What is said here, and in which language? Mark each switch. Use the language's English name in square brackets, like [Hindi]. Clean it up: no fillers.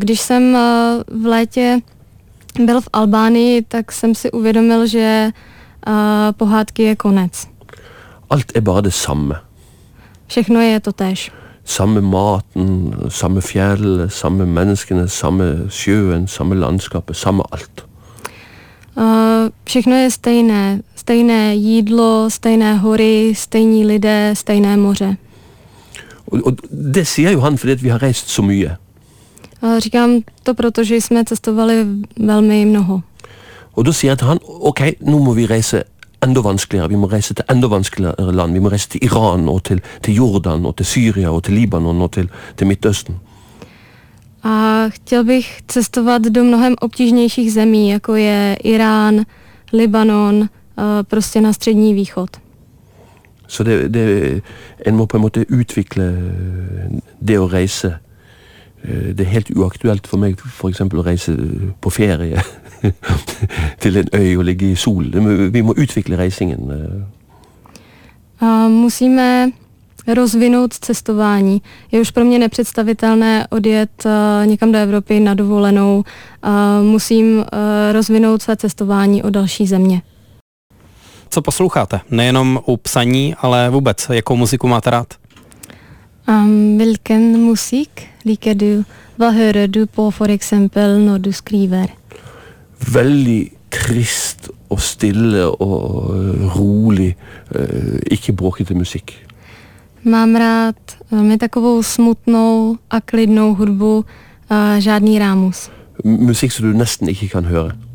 [Czech] Když jsem v létě byl v Albánii, tak jsem si uvědomil, že pohádky je konec. [Norwegian] Alt er bare det samme. [Czech] Všechno je to též. [Norwegian] Samme maten, samme fjell, samme menneskene, samme sjøen, samme landskapet, samme alt. [Czech] Všechno je stejné. Stejné jídlo, stejné hory, stejní lidé, stejné moře. [Norwegian] Og det sier jo han, fordi vi har reist så mye. [Czech] Říkám to, protože jsme cestovali velmi mnoho. [Norwegian] Og da sier han, ok, nå må vi reise enda vanskeligere, vi må reise til enda vanskeligere land, vi må reise til Iran, og til Jordan, og til Syria, og til Libanon, og til Midtøsten. A chtěl bych cestovat do mnohem obtížnějších zemí, jako je Irán, Libanon, prostě na střední východ. Så det en må på en måte utvikle det å reise. Det er helt uaktuelt for meg, for eksempel å reise på ferie til en øy og ligge i sol. Vi må utvikle reisingen. [Czech] A musíme rozvinout cestování. Je už pro mě nepředstavitelné odjet někam do Evropy na dovolenou. Musím rozvinout své cestování o další země. Co posloucháte? Nejenom u psaní, ale vůbec. Jakou muziku máte rád? [Norwegian] Hvilken musik liker du? Hva hører du på, for eksempel, når du skriver? Veldig trist og stille og rolig, ikke bråkete musikk. [Czech] Mám rád velmi takovou smutnou a klidnou hudbu, žádný rámus. [Norwegian] Musik, co du nesten ikke kan høre.